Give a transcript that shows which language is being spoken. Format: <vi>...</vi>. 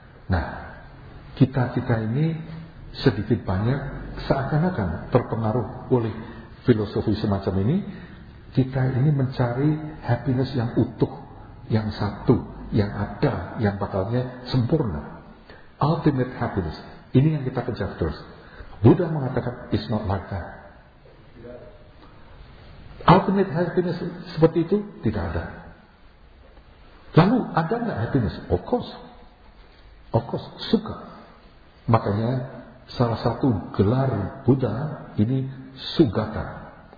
<id>Nah, kita ini sedikit banyak seakan-akan terpengaruh oleh filosofi semacam ini. Kita ini mencari happiness yang utuh, yang satu, yang ada, yang bakalnya sempurna.</id> <en>Ultimate happiness.</en> <id>Ini yang kita kejar terus. Buddha mengatakan,</id> <en>it's not like that.</en> <id>Ultimate happiness seperti itu tidak ada. Lalu, ada nggak happiness?</id> <en>Of course. Of course,</en> <id>suka. Makanya, salah satu gelar Buddha ini Sugata.</id>